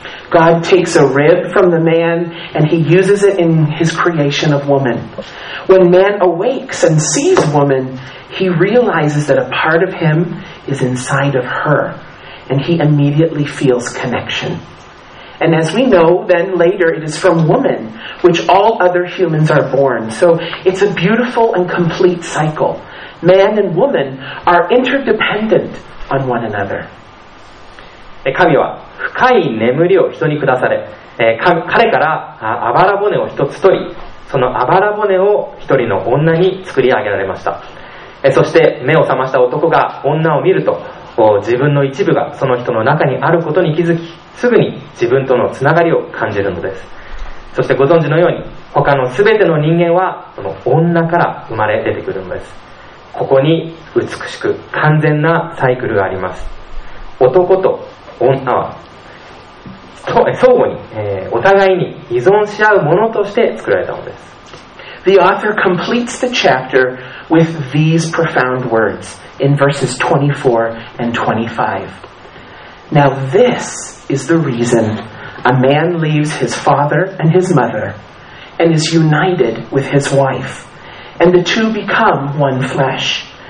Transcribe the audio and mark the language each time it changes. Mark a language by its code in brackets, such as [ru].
[en] God takes a rib from the man and he uses it in his creation of woman. When man awakes and sees woman, he realizes that a part of him is inside of her and he immediately feels connection. And as we know, then later it is from woman which all other humans are born. So it's a beautiful and complete cycle. Man and woman are interdependent on one another. [ja] 神は深い眠りを人にくだされ、彼からあばら骨を一つ取り、そのあばら骨を一人の女に作り上げられました。そして目を覚ました男が女を見ると、自分の一部がその人の中にあることに気づき、すぐに自分とのつながりを感じるのです。そしてご存知のように、他のすべての人間はその女から生まれ出てくるのです。ここに美しく完全なサイクルがあります。男と女は相互に、お互いに依存し合うものとして作られたのです。 [en] The author completes the chapter with these profound words in verses 24 and 25. Now this is the reason a man leaves his father and his mother and is united with his wifeAnd the two become one flesh.